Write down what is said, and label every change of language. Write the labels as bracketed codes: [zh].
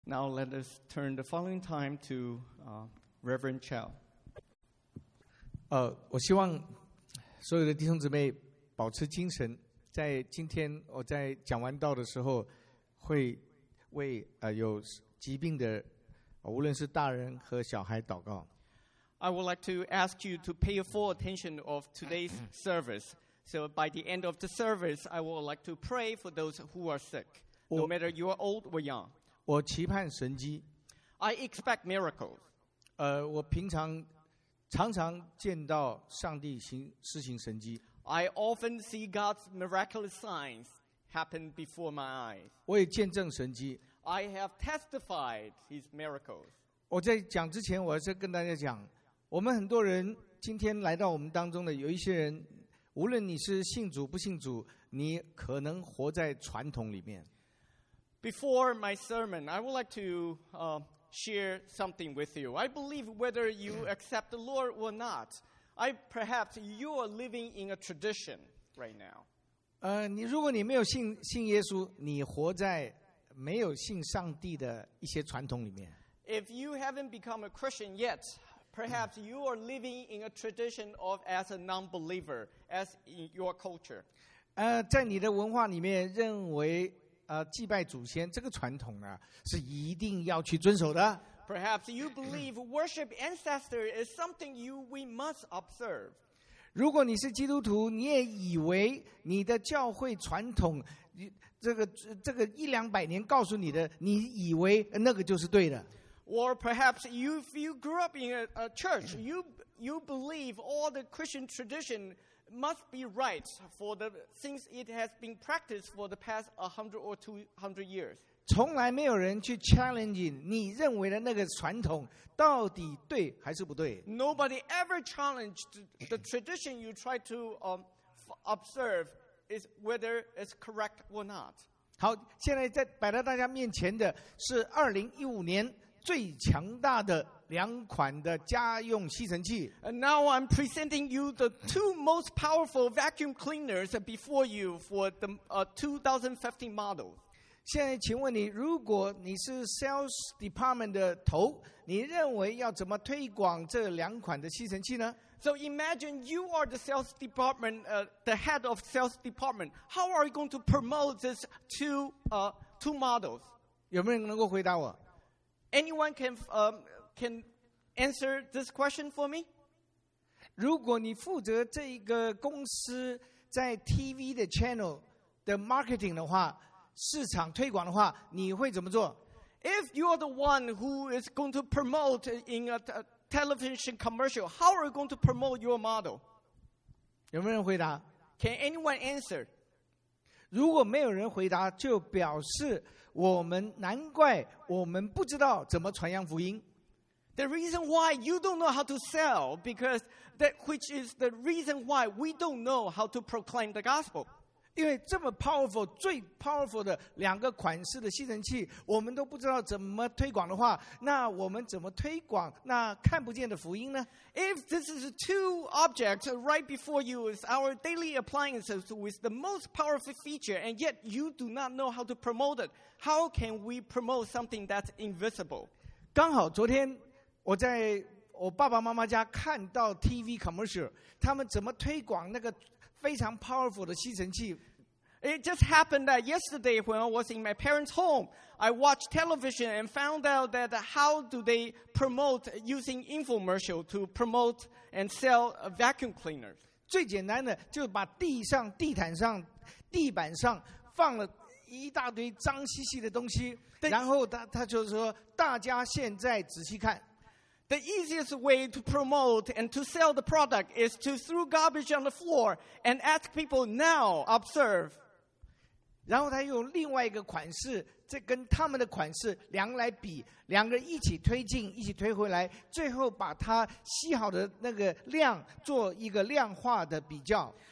[en] Now let us turn the following time to Reverend Chow. [zh] 我希望所有的弟兄姊妹保持精神，在今天我在讲完道的时候，会为有疾病的，无论是大人和小孩祷告。 [en] I would like to ask you to pay full attention of today's service. So by the end of the service, I would like to pray for those who are sick, no matter you are old or young. [zh] 我期盼神迹。 [en] I expect miracles. [zh] 我平常常常见到上帝施行神迹。 [en] I often see God's miraculous signs happen before my eyes. [zh] 我也见证神迹。 [en] I have testified his miracles. [zh] 我在讲之前，我要跟大家讲，我们很多人今天来到我们当中的，有一些人，无论你是信主不信主，你可能活在传统里面。 [en] Before my sermon, I would like to share something with you. I believe whether you accept the Lord or not, perhaps you are living in a tradition right now. [zh] 你如果你没有信耶稣，你活在没有信上帝的一些传统里面。 [en] If you haven't become a Christian yet, perhaps you are living in a tradition of as a non-believer, as in your culture. [zh] 在你的文化里面认为祭拜祖先这个传统呢是一定要去遵守的。 [en] Perhaps you believe worship ancestors is something we must observe. [zh] 如果你是基督徒，你也以为你的教会传统，这个一两百年告诉你的，你以为那个就是对的。 [en] Or perhaps if you grew up in a church, you believe all the Christian tradition must be right for the things it has been practiced for the past 100 or 200 years. [zh] 从来没有人去 challenging 你认为的那个传统到底对还是不对。 [en] Nobody ever challenged the tradition you try to observe is whether it's correct or not. [zh] 好，现在在摆在大家面前的是2015年最强大的两款的家用吸尘器。 [en] And now I'm presenting you the two most powerful vacuum cleaners before you for the 2015 model. [zh] 现在请问你，如果你是 [en] sales department [zh] 的头，你认为要怎么推广这两款的吸尘器呢？ [en] So imagine you are the sales department, the head of sales department. How are you going to promote these two models? [zh] 有没有人能够回答我？ [en] Anyone can answer this question for me? [zh] 如果你负责这一个公司在 TV 的 channel 的 marketing 的话，市场推广的话，你会怎么做？ [en] If you are the one who is going to promote in a television commercial, how are you going to promote your model? [zh] 有没有人回答？ [en] Can anyone answer? [zh] 如果没有人回答，就表示我们难怪我们不知道怎么传扬福音。 [en] The reason why you don't know how to sell, because that which is the reason why we don't know how to proclaim the gospel. [zh] 因为这么 powerful, 最 powerful 的两个款式的吸尘器，我们都不知道怎么推广的话，那我们怎么推广那看不见的福音呢？ [en] If this is two objects right before you is our daily appliances with the most powerful feature, and yet you do not know how to promote it, how can we promote something that's invisible? [zh] 刚好昨天我在我爸爸妈妈家看到 [en] TV commercial, [zh] 他们怎么推广那个非常 powerful 的吸尘器。 [en] It just happened that yesterday when I was in my parents' home, I watched television and found out that how do they promote using infomercial to promote and sell vacuum cleaners. [zh] 最简单的就把地上、地毯上、地板上放了一大堆脏兮兮的东西，然后 他就说大家现在仔细看。 [en] The easiest way to promote and to sell the product is to throw garbage on the floor and ask people now observe. [zh] 然后他用另外一个款式，这跟他们的款式量来比，两个一起推进，一起推回来，最后把他吸好的那个量做一个量化的比较。